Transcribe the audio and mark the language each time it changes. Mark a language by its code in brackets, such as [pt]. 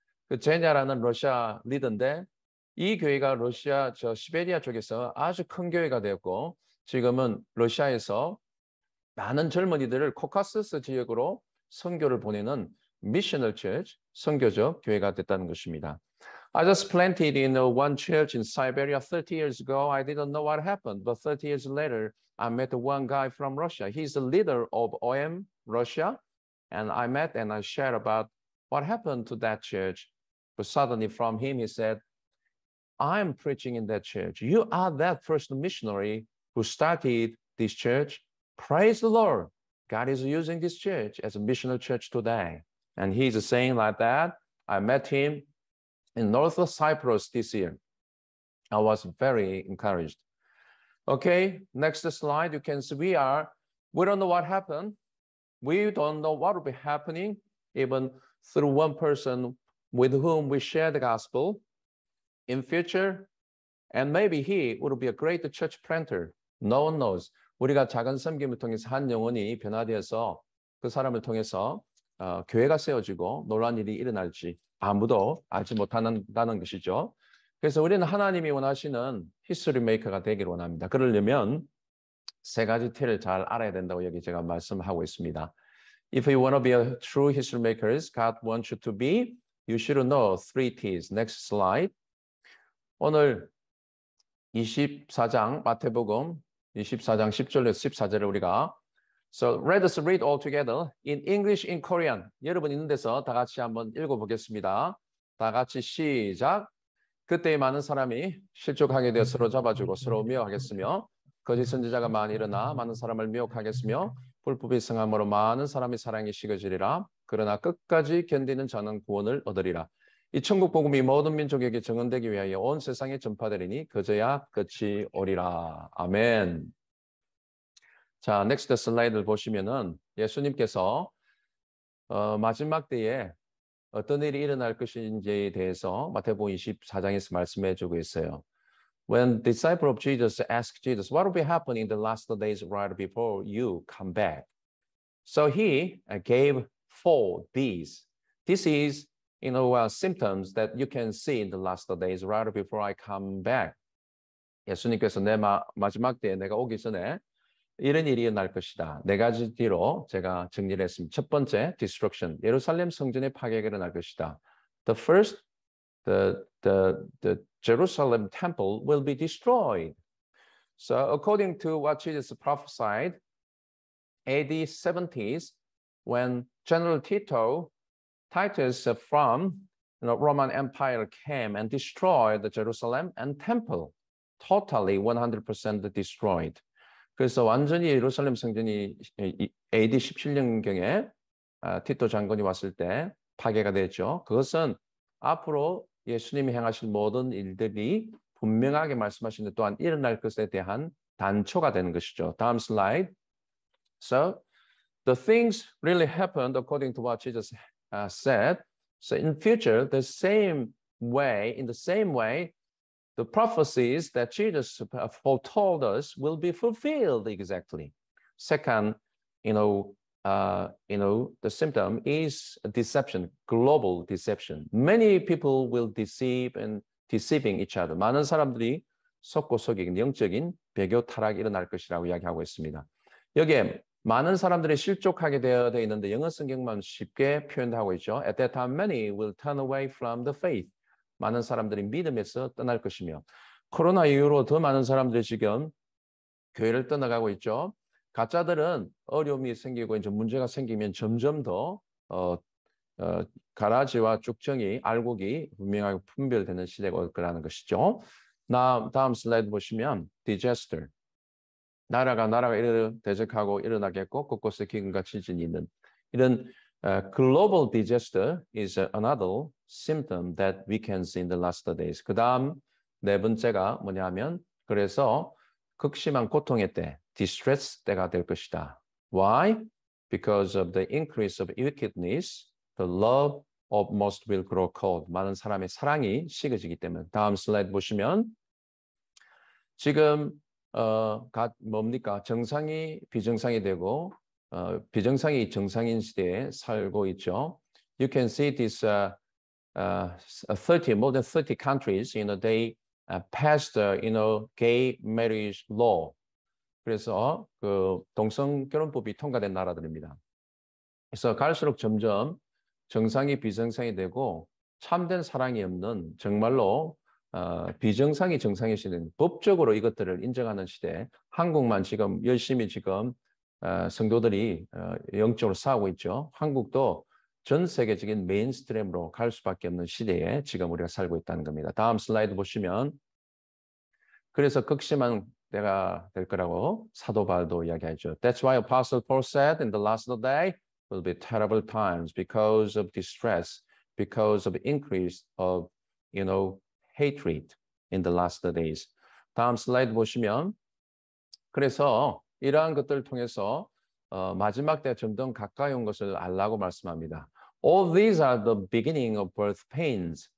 [ko] 그 제냐라는 러시아 리더인데 이 교회가 러시아 저 시베리아 쪽에서 아주 큰 교회가 되었고 지금은 러시아에서 많은 젊은이들을 코카서스 지역으로 선교를 보내는 미셔널 처치, 선교적 교회가 됐다는 것입니다. [en] I just planted in one church in Siberia 30 years ago. I didn't know what happened, but 30 years later, I met one guy from Russia. He's the leader of OM Russia, and I met and I shared about what happened to that church. But suddenly from him, he said, I'm preaching in that church. You are that first missionary who started this church. Praise the Lord. God is using this church as a missional church today. And he's saying like that, I met him in north of Cyprus this year. I was very encouraged. Okay, next slide. You can see we don't know what happened. We don't know what will be happening even through one person with whom we share the gospel in future. And maybe he would be a great church planter. No one knows. [ko] 우리가 작은 섬김을 통해서 한 영혼이 변화되어서 그 사람을 통해서 교회가 세워지고 놀란 일이 일어날지 아무도 알지 못한다는 것이죠. 그래서 우리는 하나님이 원하시는 히스토리 메이커가 되기를 원합니다. 그러려면 세 가지 T를 잘 알아야 된다고 여기 제가 말씀하고 있습니다. [en] If you want to be a true history makers, God wants you to be, you should know three T's. Next slide. [ko] 오늘 24장 마태복음 24장 10절에서 14절을 우리가 [en] So let us read all together in English, in Korean. [ko] 여러분 있는 데서 다 같이 한번 읽어보겠습니다. 다 같이 시작! 그때 많은 사람이 실족하게 되어 서로 잡아주고 서로 미혹하겠으며 거짓 선지자가 많이 일어나 많은 사람을 미혹하겠으며 불법이 성함으로 많은 사람의 사랑이 식어지리라 그러나 끝까지 견디는 자는 구원을 얻으리라 이 천국 복음이 모든 민족에게 증언되기 위하여 온 세상에 전파되리니 그제야 끝이 오리라. 아멘. 자, 넥스트 슬라이드를 보시면은 예수님께서 마지막 때에 어떤 일이 일어날 것인지에 대해서 마태복음 24장에서 말씀해 주고 있어요. [en] When disciple of Jesus asked Jesus, what will be happening in the last days right before you come back? So he gave four these. This is you know, symptoms that you can see in the last days right before I come back. [ko] 예수님께서 내 마지막 때에 내가 오기 전에 이런 일이 일어날 것이다. 네 가지 뒤로 제가 정리를 했습니다. 첫 번째, destruction. 예루살렘 성전의 파괴가 일어날 것이다. [en] The first, the Jerusalem temple will be destroyed. So according to what Jesus prophesied, AD 70s, when General Titus from the Roman Empire came and destroyed the Jerusalem and temple, totally 100% destroyed. [ko] 그래서 완전히 예루살렘 성전이 AD 17년경에 티토 장군이 왔을 때 파괴가 됐죠. 그것은 앞으로 예수님이 행하실 모든 일들이 분명하게 말씀하시는데 또한 일어날 것에 대한 단초가 되는 것이죠. 다음 슬라이드. [en] So the things really happened according to what Jesus said. So in future, the same way, the prophecies that Jesus foretold us will be fulfilled exactly. Second, the symptom is deception, global deception. Many people will deceiving each other. [ko] 많은 사람들이 속고 속이는 영적인 배교 타락이 일어날 것이라고 이야기하고 있습니다. 여기에 많은 사람들이 실족하게 되어 있는데 영어 성경만 쉽게 표현하고 있죠. [en] At that time, many will turn away from the faith. [ko] 많은 사람들이 믿음에서 떠날 것이며 코로나 이후로 더 많은 사람들이 지금 교회를 떠나가고 있죠. 가짜들은 어려움이 생기고 이제 문제가 생기면 점점 더 가라지와 쭉정이, 알곡이 분명하게 분별되는 시대가 올 거라는 것이죠. 다음 슬라이드 보시면 disaster. 나라가 대적하고 일어나겠고 곳곳에 기근과 지진이 있는 이런 [en] global disaster is another symptom that we can see in the last days. [ko] 그 다음 네 번째가 뭐냐면 그래서 극심한 고통의 때, distress 때가 될 것이다. [en] Why? Because of the increase of wickedness, the love of most will grow cold. [ko] 많은 사람의 사랑이 식어지기 때문에. 다음 슬라이드 보시면 지금 뭡니까? 정상이 비정상이 되고 비정상이 정상인 시대에 살고 있죠. You can see this 30 more than 30 countries in a day passed you know gay marriage law. 그래서 그 동성 결혼법이 통과된 나라들입니다. 그래서 갈수록 점점 정상이 비정상이 되고 참된 사랑이 없는 정말로 비정상이 정상의 시대는 법적으로 이것들을 인정하는 시대. 한국만 지금 열심히 지금 성도들이 영적으로 싸우고 있죠. 한국도 전 세계적인 메인스트림으로 갈 수밖에 없는 시대에 지금 우리가 살고 있다는 겁니다. 다음 슬라이드 보시면 그래서 극심한 때가 될 거라고 사도 바울도 이야기하죠. [en] That's why Apostle Paul said in the last day will be terrible times because of distress, because of increase of, you know, hatred in the last days. [ko] 다음 슬라이드 보시면 그래서 이러한 것들을 통해서 마지막 때 점점 가까이 온 것을 알라고 말씀합니다. [en] All these are the beginning of birth pains.